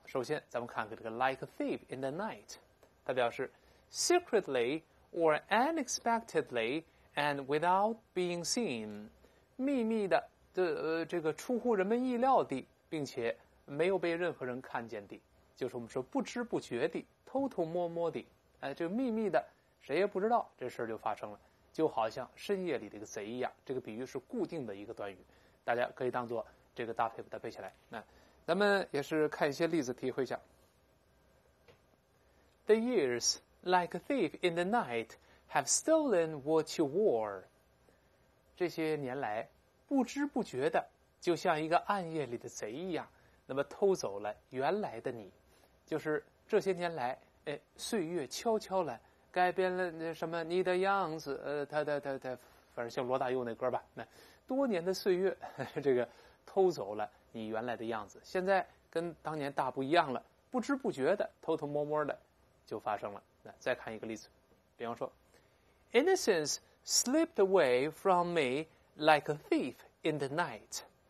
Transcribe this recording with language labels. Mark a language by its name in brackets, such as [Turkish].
[Chinese] 首先咱们看看这个 [English] like a thief in the night, [Chinese] 它表示 [English] secretly or unexpectedly and without being seen, [Chinese] 秘密的这个出乎人们意料地并且没有被任何人看见地，就是我们说不知不觉地，偷偷摸摸地，这个秘密的谁也不知道这事就发生了，就好像深夜里的一个贼一样。这个比喻是固定的一个短语，大家可以当作这个搭配搭配起来。那咱们也是看一些例子体会一下。 [English] The years, like a thief in the night, have stolen what you wore. [Chinese] 这些年来不知不觉的就像一个暗夜里的贼一样，那么偷走了原来的你。就是这些年来岁月悄悄来改变了什么你的样子，他反正像罗大佑那歌吧，那多年的岁月这个偷走了你原来的样子，现在跟当年大不一样了，不知不觉的偷偷摸摸的就发生了。那再看一个例子，比方说 [English] Innocence slipped away from me like a thief in the night.